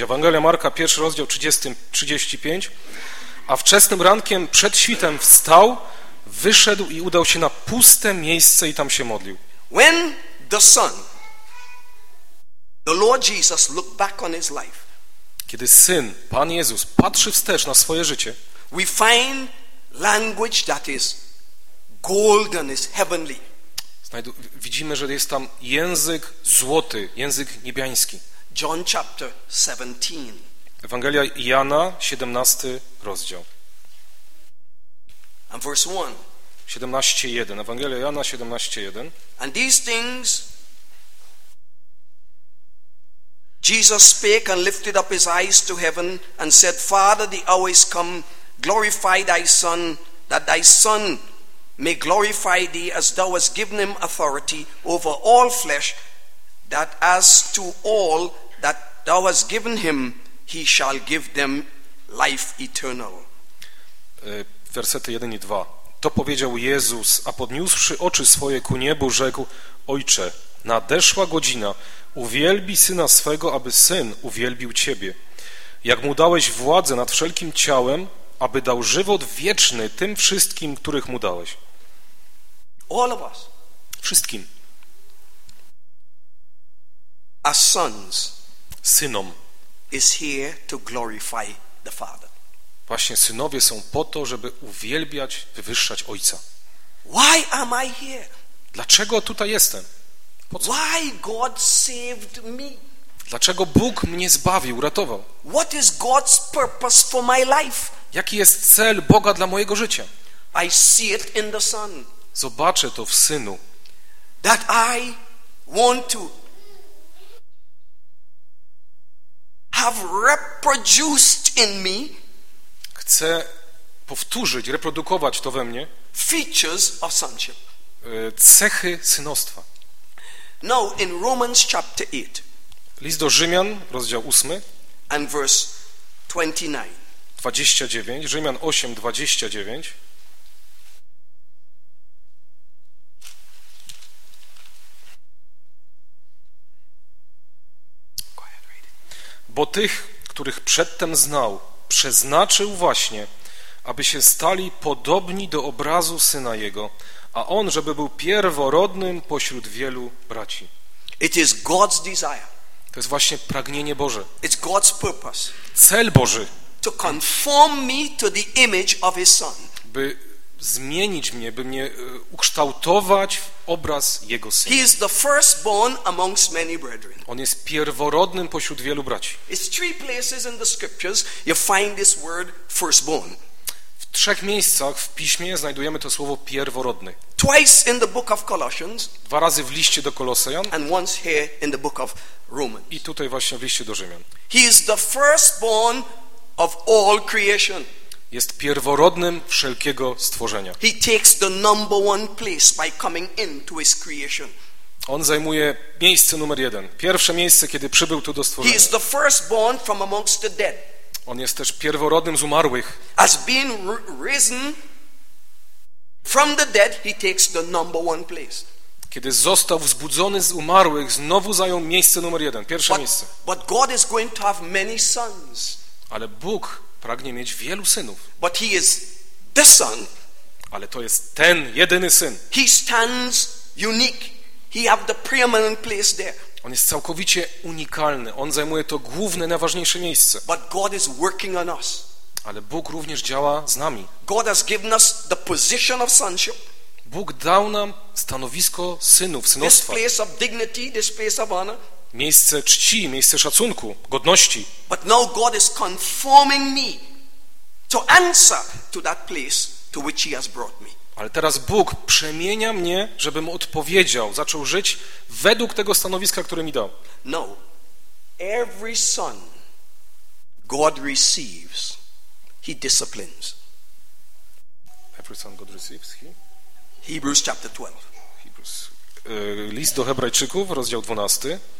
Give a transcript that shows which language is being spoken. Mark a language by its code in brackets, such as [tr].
[pl] Ewangelia Marka, pierwszy rozdział, 35. A wczesnym rankiem, przed świtem, wstał, wyszedł i udał się na puste miejsce i tam się modlił. [en] When the Son, the Lord Jesus, looked back on his life, [pl] kiedy Syn, Pan Jezus, patrzy wstecz na swoje życie, [en] we find language that is golden, is heavenly. [pl] Widzimy, że jest tam język złoty, język niebiański. [en] John chapter 17. [pl] Ewangelia Jana, 17 rozdział. [en] And verse 1. [pl] 17:1. Ewangelia Jana 17:1. [en] And these things Jesus spake and lifted up his eyes to heaven and said, Father, the hour is come, glorify thy Son, that thy Son may glorify thee, as thou hast given him authority over all flesh, that as to all that thou hast given him, he shall give them life eternal. [pl] Wersety 1 i 2. To powiedział Jezus, a podniósłszy oczy swoje ku niebu, rzekł, Ojcze, nadeszła godzina, uwielbi Syna swego, aby Syn uwielbił Ciebie. Jak mu dałeś władzę nad wszelkim ciałem, aby dał żywot wieczny tym wszystkim, których mu dałeś. [en] All of us. [pl] Wszystkim. [en] As sons. [pl] Synom. [en] Is here to glorify the Father. [pl] Właśnie synowie są po to, żeby uwielbiać, wywyższać Ojca. [en] Why am I here? [pl] Dlaczego tutaj jestem? Po co? [en] Why God saved me? [pl] Dlaczego Bóg mnie zbawił, uratował? [en] What is God's purpose for my life? [pl] Jaki jest cel Boga dla mojego życia? [en] I see it in the Son. [pl] Zobaczę to w Synu. [en] That I want to have reproduced in me. [pl] Chcę powtórzyć, reprodukować to we mnie. [en] Features of sonship. [pl] Cechy synostwa. [en] Now in Romans chapter 8. [pl] List do Rzymian, rozdział 8. [en] And verse 29. [pl] 29. Rzymian 8, 29. Bo tych, których przedtem znał, przeznaczył właśnie, aby się stali podobni do obrazu Syna Jego, a On, żeby był pierworodnym pośród wielu braci. [en] It is God's desire. [pl] To jest właśnie pragnienie Boże. [en] It's God's purpose. [pl] Cel Boży. [en] To conform me to the image of His Son. [pl] By zmienić mnie, by mnie ukształtować w obraz Jego Syna. [en] He is the firstborn amongst many brethren. [pl] On jest pierworodnym pośród wielu braci. [en] It's three places in the scriptures you find this word firstborn. [pl] W trzech miejscach w Piśmie znajdujemy to słowo pierworodny. [en] Twice in the book of Colossians. [pl] Dwa razy w liście do Kolosejan. [en] And once here in the book of Romans. [pl] I tutaj właśnie w liście do Rzymian. [en] He is the firstborn of all creation. [pl] Jest pierworodnym wszelkiego stworzenia. [en] He takes the number one place by coming into his creation. [pl] On zajmuje miejsce numer jeden. Pierwsze miejsce, kiedy przybył tu do stworzenia. [en] He is the firstborn from amongst the dead. [pl] On jest też pierworodnym z umarłych. [en] As being risen from the dead, he takes the number one place. [pl] Kiedy został wzbudzony z umarłych, znowu zajął miejsce numer jeden. Pierwsze miejsce. [en] But God is going to have many sons. [pl] Ale Bóg pragnie mieć wielu synów. [en] But he is the Son. [pl] Ale to jest ten jedyny Syn. [en] He stands unique. He have the preeminent place there. [pl] On jest całkowicie unikalny. On zajmuje to główne, najważniejsze miejsce. [en] But God is working on us. [pl] Ale Bóg również działa z nami. [en] God has given us the position of sonship. [pl] Bóg dał nam stanowisko synów, synostwa. [en] This place of dignity, this place of honor. [pl] Miejsce czci, miejsce szacunku, godności. [en] But now God is conforming me. to answer to that place to which he has brought me. [pl] Ale teraz Bóg przemienia mnie, żebym odpowiedział, zaczął żyć według tego stanowiska, które mi dał. [en] No. Every son God receives, he disciplines. Every son God receives, he? Hebrews chapter 12. Hebrews. [pl] List do Hebrajczyków, rozdział 12.